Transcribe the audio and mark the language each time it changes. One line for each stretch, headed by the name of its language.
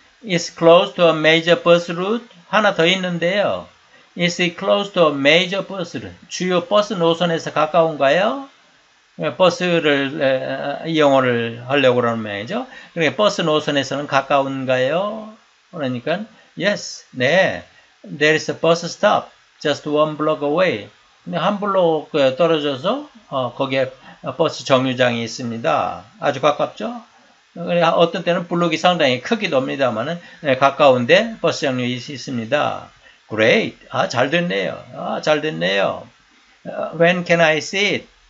English: It's close to a major bus route.
Korean: 하나 더 있는데요.
English: Is it close to a major bus route?
Korean: 주요 버스 노선에서 가까운가요? 버스를 이용을 하려고 그러는 모양이죠. 그러니까 버스 노선에서는 가까운가요? 그러니까 yes, 네.
English: There is a bus stop just one block away.
Korean: 한 블록 떨어져서 거기에 버스 정류장이 있습니다. 아주 가깝죠? 어떤 때는 블록이 상당히 크기도 합니다만은 가까운데 버스 정류장이 있습니다.
English: Great.
Korean: 아, 잘 됐네요. 아, 잘 됐네요.
English: When can I see it?